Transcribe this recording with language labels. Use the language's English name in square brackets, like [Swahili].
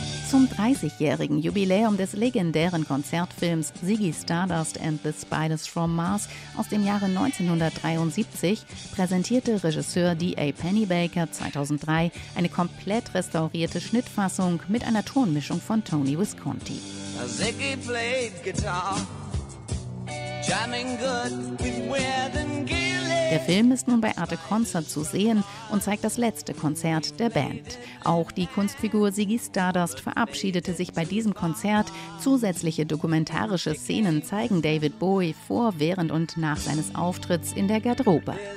[German] Zum 30-jährigen Jubiläum des legendären Konzertfilms Ziggy Stardust and the Spiders from Mars aus dem Jahre 1973 präsentierte Regisseur D.A. Pennybaker 2003 eine komplett restaurierte Schnittfassung mit einer Tonmischung von Tony Visconti. [English] Ziggy played guitar, jamming good with weird and gear. [German] Der Film ist nun bei Arte Concert zu sehen und zeigt das letzte Konzert der Band. Auch die Kunstfigur Ziggy Stardust verabschiedete sich bei diesem Konzert. Zusätzliche dokumentarische Szenen zeigen David Bowie vor, während und nach seines Auftritts in der Garderobe.